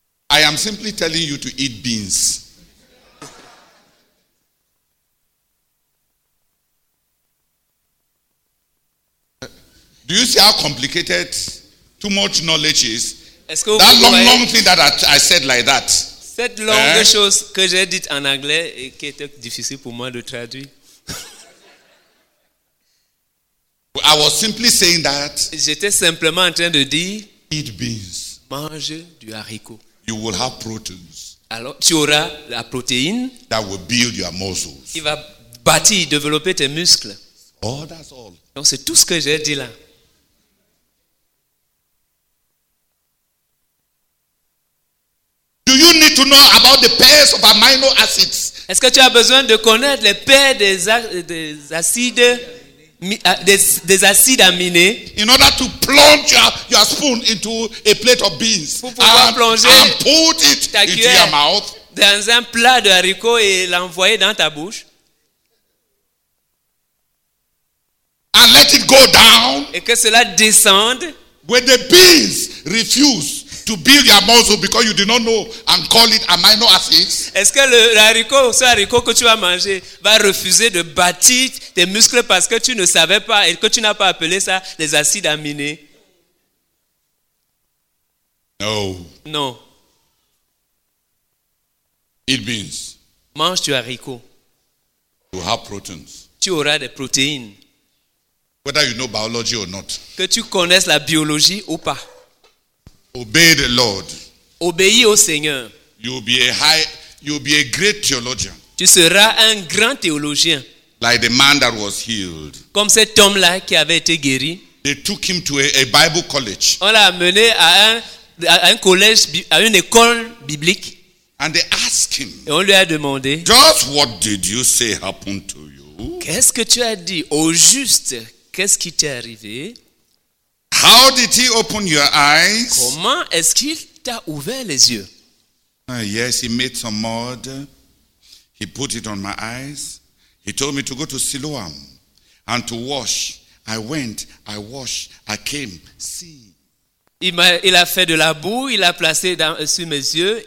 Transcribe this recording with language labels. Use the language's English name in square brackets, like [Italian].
[English] I am simply telling you to eat beans. Do you see how complicated too much knowledge is? [French] Est-ce que [English] that [French] vous [English] long, long thing that I said like that. [French] Cette longue chose que j'ai dite en anglais et qui était difficile pour moi de traduire. [English] I was simply saying that. [French] J'étais simplement en train de dire. [English] Eat beans. [French] Mange du haricot. [English] You will have proteins. [French] Alors tu auras la protéine. [English] That will build your muscles. [French] Qui va bâtir, développer tes muscles. [English] Oh, that's all. [French] Donc c'est tout ce que j'ai dit là. [English] Do you need to know about the pairs of amino acids? [French] Est-ce que tu as besoin de connaître les pairs des acides aminés? [English] In order to plunge your spoon into a plate of beans and put it [French] ta [English] into your mouth. [French] Dans un plat de haricots et l'envoyer dans ta bouche. [English] And let it go. go down. [French] Et que cela descende. [English] Where the bees refuse to build your muscle because you do not know and call it amino acids. [French] Est-ce que le haricot, ce haricot que tu vas manger, va refuser de bâtir tes muscles parce que tu ne savais pas et que tu n'as pas appelé ça les acides aminés? [English] No. [French] Non. [English] Eat beans. [French] Mange du haricot. [English] You have proteins. [French] Tu auras des protéines. [English] Whether you know biology or not. [French] Que tu connaisses la biologie ou pas. [English] Obey the Lord. [French] Obéis au Seigneur. [English] You'll be a great theologian. [French] Tu seras un grand théologien. [English] Like the man that was healed. [French] Comme cet homme-là qui avait été guéri. [English] They took him to a Bible college. [French] On l'a amené à une école biblique. [English] And they asked him. [French] Et on lui a demandé. [English] Just what did you say happened to you? [French] Qu'est-ce que tu as dit au juste? Qu'est-ce qui t'est arrivé? [English] How did he open your eyes? [French] Comment est-ce qu'il t'a ouvert les yeux? [English] Yes, he made some mud. He put it on my eyes. He told me to go to Siloam and to wash. I went. I washed. I came. See. [French] Il a fait de la boue, il a placé sur mes yeux.